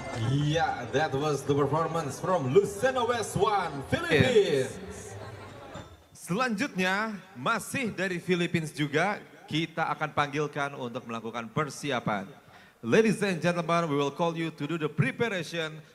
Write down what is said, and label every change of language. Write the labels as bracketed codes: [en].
[en] Yeah, that was the performance from Lucena West One, Philippines. [id] Selanjutnya, masih dari Philippines juga, kita akan panggilkan untuk melakukan persiapan. [en] Ladies and gentlemen, we will call you to do the preparation.